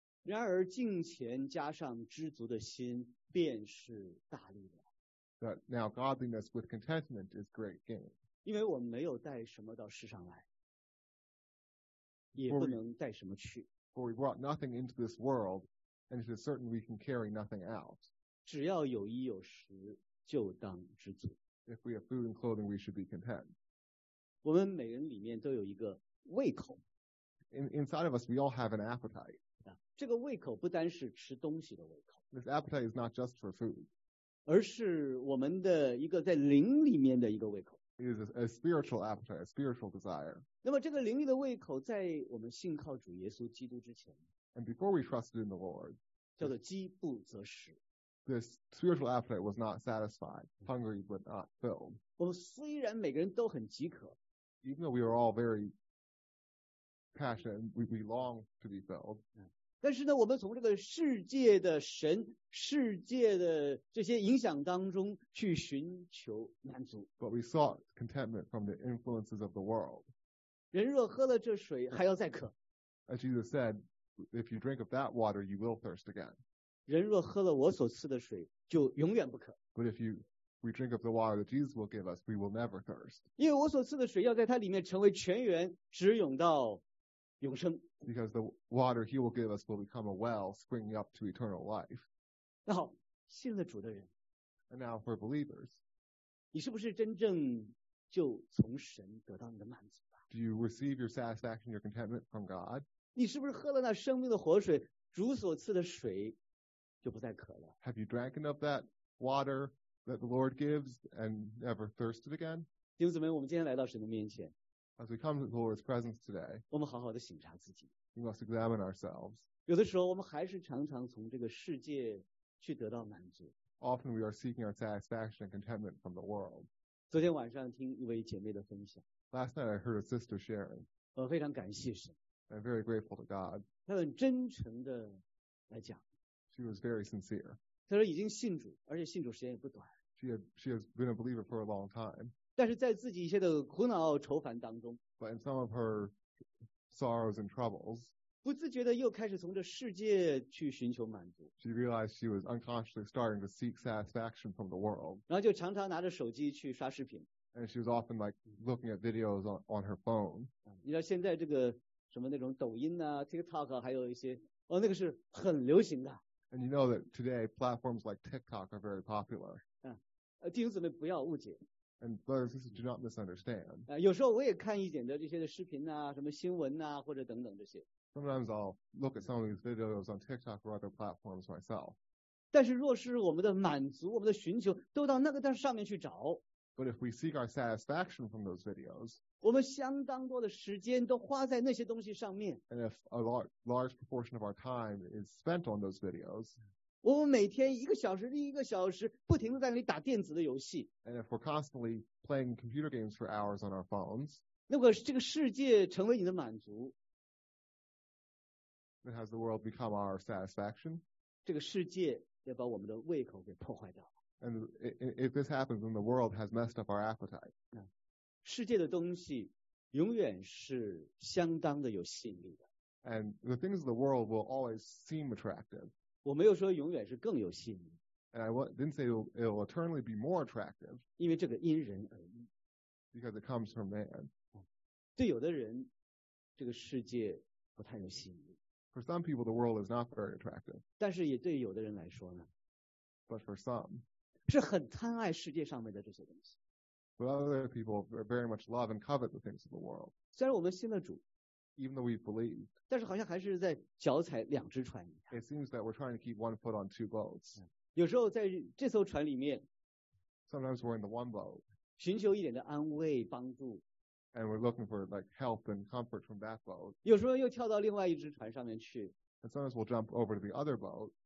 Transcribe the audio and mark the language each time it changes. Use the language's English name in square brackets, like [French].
[Chinese] 然而敬虔加上知足的心便是大力了。 [English] That now godliness with contentment is great gain. [Chinese] 因为我们没有带什么到世上来，也不能带什么去。 [English] For we brought nothing into this world, and it is certain we can carry nothing out. [Chinese] 只要有衣有食，就当知足。 [English] If we have food and clothing, we should be content. [Chinese] 我们每人里面都有一个胃口。 [English] Inside of us, we all have an appetite. [Chinese] 这个胃口不单是吃东西的胃口。 [English] This appetite is not just for food. [Chinese] 而是我们的一个在灵里面的一个胃口。 [English] It is a spiritual appetite, a spiritual desire. [Chinese] 那么这个灵里的胃口在我们信靠主耶稣基督之前。 [English] And before we trusted in the Lord. [Chinese] 叫做饥不择食。 [English] This spiritual appetite was not satisfied, hungry but not filled. [Chinese] 我们虽然每个人都很饥渴， [English] even though we are all very passionate, we long to be filled. [Chinese] 但是呢，我们从这个世界的神、世界的这些影响当中去寻求满足。 [English] But we sought contentment from the influences of the world. [Chinese] 人若喝了这水，还要再渴。 [English] As Jesus said, if you drink of that water, you will thirst again. [Chinese] 人若喝了我所赐的水，就永远不渴。 [English] But if we drink of the water that Jesus will give us, we will never thirst. [Chinese] 因为我所赐的水要在它里面成为泉源，直涌到永生。 [English] Because the water He will give us will become a well springing up to eternal life. [Chinese] 那好，信了主的人。 [English] And now for believers. [Chinese] 你是不是真正就从神得到你的满足了？ [English] Do you receive your satisfaction, your contentment from God? [Chinese] 你是不是喝了那生命的活水，主所赐的水？就不再渴了。 [English] Have you drank enough of that water that the Lord gives and never thirsted again? [Chinese] 弟兄姊妹，我们今天来到神的面前。 [English] As we come to the Lord's presence today, [Chinese] 我们好好的省察自己。 [English] We must examine ourselves. [Chinese] 有的时候，我们还是常常从这个世界去得到满足。 [English] Often we are seeking our satisfaction and contentment from the world. [Chinese] 昨天晚上听一位姐妹的分享。 [English] Last night I heard a sister sharing. [Chinese] 我非常感谢神。 [English] I'm very grateful to God. [Chinese] 她很真诚的来讲。 [English] She was very sincere. [Chinese] 她说已经信主，而且信主时间也不短。 [English] She has been a believer for a long time. [Chinese] 但是在自己一些的苦恼愁烦当中， [English] But in some of her sorrows and troubles, [Chinese] 不自觉的又开始从这世界去寻求满足。 [English] She realized she was unconsciously starting to seek satisfaction from the world. [Chinese] 然后就常常拿着手机去刷视频。 [English] And she was often like looking at videos on her phone. [Chinese] 你知道现在这个什么那种抖音啊、TikTok 啊，还有一些哦，那个是很流行的。 [English] And you know that today platforms like TikTok are very popular. [Chinese] 弟兄姊妹不要误解。 [English] And brothers, this is do not misunderstand. [Chinese] 有时候我也看一点的这些的视频啊，什么新闻啊，或者等等这些。 [English] Sometimes I'll look at some of these videos on TikTok or other platforms myself. [Chinese] 但是若是我们的满足，我们的寻求，都到那个上面去找。 [English] But if we seek our satisfaction from those videos, [Chinese] 我们相当多的时间都花在那些东西上面。 [English] And if a large proportion of our time is spent on those videos, [Chinese] 我们每天一个小时一个小时不停地在那里打电子的游戏。 [English] And if we're constantly playing computer games for hours on our phones, [Chinese] 那个这个世界成为你的满足。 [English] Then has the world become our satisfaction? [Chinese] 这个世界也把我们的胃口给破坏掉了。 [English] And if this happens, then the world has messed up our appetite. [Chinese] 世界的东西永远是相当的有吸引力的。 [English] And the things of the world will always seem attractive. [Chinese] 我没有说永远是更有吸引力。 [English] And I didn't say it'll eternally be more attractive. [Chinese] 因为这个因人而异。 [English] Because it comes from man. [Chinese] 对有的人，这个世界不太有吸引力。 [English] For some people, the world is not very attractive. [Chinese] 但是也对有的人来说呢。 [English] But for some. [Chinese] 是很贪爱世界上面的这些东西。 [English] But other people very much love and covet the things of the world. [Chinese] 虽然我们信了主。 [English] Even though we've believed. [Chinese] 但是好像还是在脚踩两只船一样。 [English] It seems that we're trying to keep one foot on two boats. [Chinese] 有时候在这艘船里面。 [English] Sometimes we're in the one boat. [Chinese] 寻求一点的安慰帮助。 [English] And we're looking for like help and comfort from that boat. [Chinese] 有时候又跳到另外一只船上面去。 [English] And sometimes we'll jump over to the other boat.